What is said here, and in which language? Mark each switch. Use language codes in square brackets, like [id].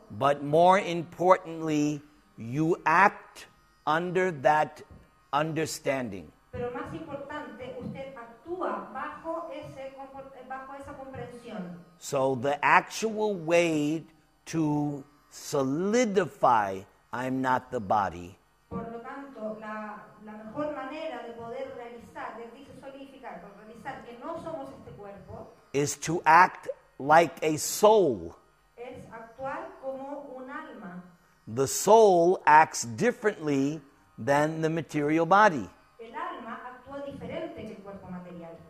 [en] but more importantly, you act under that understanding. [es] Pero más importante, usted actúa bajo ese, bajo esa comprensión. [en] So the actual way to solidify I'm not the body, [es] por lo tanto, la mejor manera de poder realizar, de decir, solidificar, de realizar que no somos este cuerpo, [en] is to act like a soul. [es] Es actuar como un alma. [en] The soul acts differently than the material body. [es] El alma actúa diferente que el cuerpo material.